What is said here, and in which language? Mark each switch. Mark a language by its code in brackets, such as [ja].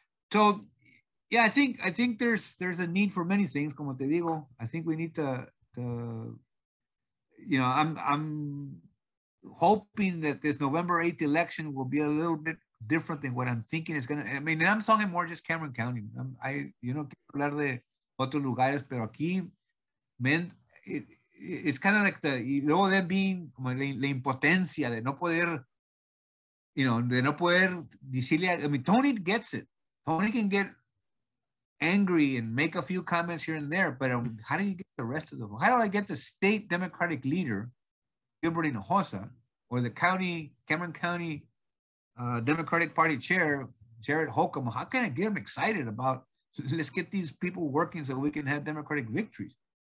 [en] So, yeah, I think there's a need for many things, [es] como te digo. [en] I think we need to... I'm hoping that this November 8th election will be a little bit different than what I'm thinking is going to. I mean, I'm talking more just Cameron County. [es] Quiero hablar de otros lugares, pero aquí, man, [en] it's kind of like the, [es] y luego de [en] being [es] como la impotencia de no poder, you know, de no poder decirle, [en] I mean, Tony gets it. Tony can get angry and make a few comments here and there, but how do you get the rest of them? How do I get the state Democratic leader, Gilbert Hinojosa, or the county, Cameron County Democratic Party chair, Jared Holcomb? How can I get them excited about, let's get these people working so we can have Democratic victories?